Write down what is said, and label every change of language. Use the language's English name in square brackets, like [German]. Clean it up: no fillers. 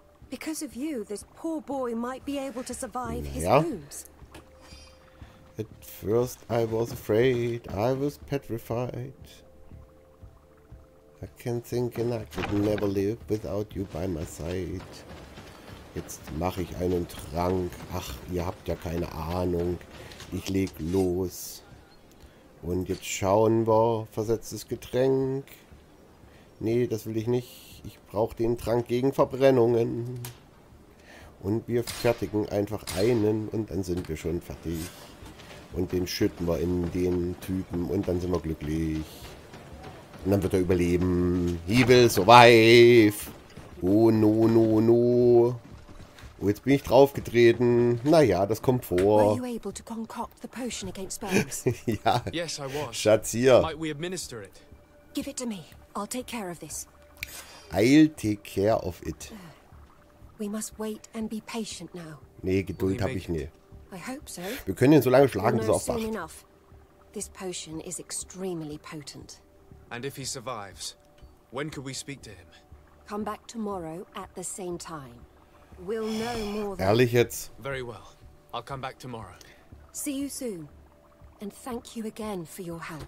[English] Because of you, this poor boy might be able to survive [German] naja. [English] His wounds. At first I was afraid, I was petrified. I can think and I could never live without you by my side. [German] Jetzt mache ich einen Trank. Ach, ihr habt ja keine Ahnung. Ich leg los. Und jetzt schauen wir, versetztes Getränk. Nee, das will ich nicht. Ich brauche den Trank gegen Verbrennungen. Und wir fertigen einfach einen und dann sind wir schon fertig. Und den schütten wir in den Typen und dann sind wir glücklich. Und dann wird er überleben. [English] He will survive. Oh, no, no, no. [German] Oh, jetzt bin ich draufgetreten. Naja, das kommt vor. [English] Were you able to concoct the potion against burns? Ja. Yes, I was. [German] Schatz, hier. [English] Might we administer it? Give it to me. I'll take care of this. I'll take care of it. We must wait and be patient now. [German] Nee, Geduld habe ich nicht. [English] I hope so. [German] Wir können ihn so lange schlagen, bis er aufwacht. [English] Soon enough. This potion is extremely potent. And if he survives, when could we speak to him? Come back tomorrow at the same time. We'll know more than... [German] Ehrlich jetzt? [English] Very well. I'll come back tomorrow. See you soon. And thank you again for your help.